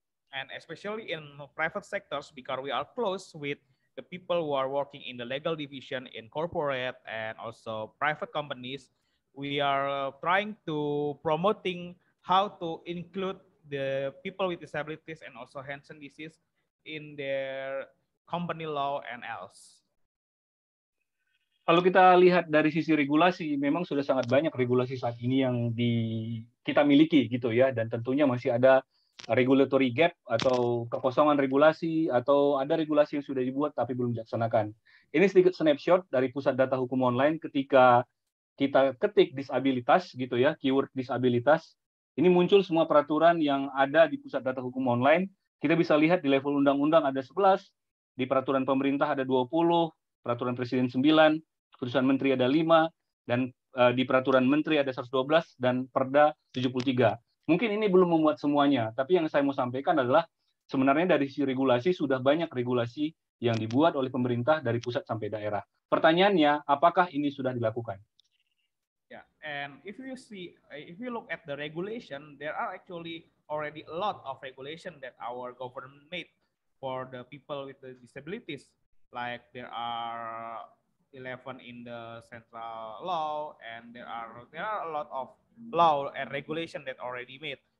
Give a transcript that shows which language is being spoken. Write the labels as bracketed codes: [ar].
[en] And especially in private sectors, because we are close with the people who are working in the legal division in corporate and also private companies, we are trying to promoting how to include the people with disabilities and also Hansen disease in their company law and else. [id] Kalau kita lihat dari sisi regulasi, memang sudah sangat banyak regulasi saat ini yang kita miliki gitu ya, dan tentunya masih ada regulatory gap atau kekosongan regulasi, atau ada regulasi yang sudah dibuat tapi belum dilaksanakan. Ini sedikit snapshot dari pusat data hukum online ketika kita ketik disabilitas gitu ya, keyword disabilitas. Ini muncul semua peraturan yang ada di pusat data hukum online. Kita bisa lihat di level undang-undang ada 11, di peraturan pemerintah ada 20. Peraturan Presiden 9, keputusan Menteri ada 5, dan di peraturan Menteri ada 112, dan Perda 73. Mungkin ini belum memuat semuanya, tapi yang saya mau sampaikan adalah sebenarnya dari sisi regulasi, sudah banyak regulasi yang dibuat oleh pemerintah dari pusat sampai daerah. Pertanyaannya, apakah ini sudah dilakukan? [en] Yeah, and if you look at the regulation, there are actually already a lot of regulation that our government made for the people with the disabilities. Like there are 11 in the central law, and there are a lot of law and regulation that already made.